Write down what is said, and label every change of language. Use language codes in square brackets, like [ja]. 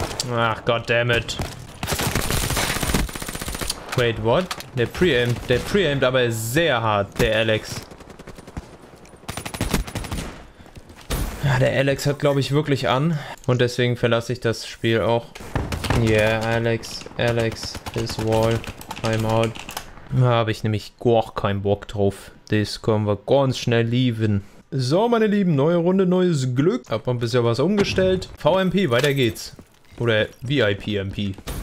[en] Ach, goddammit. Wait, what? [de] Der pre-aimt aber sehr hart, der Alex. Ja, der Alex hat, glaube ich, wirklich an. Und deswegen verlasse ich das Spiel auch. [en] Yeah, Alex, this wall, I'm out. [de] Da habe ich nämlich auch keinen Bock drauf. Das können wir ganz schnell leaven. So, meine Lieben, neue Runde, neues Glück. Hab mal ein bisschen was umgestellt. VMP, weiter geht's. Oder VIP-MP.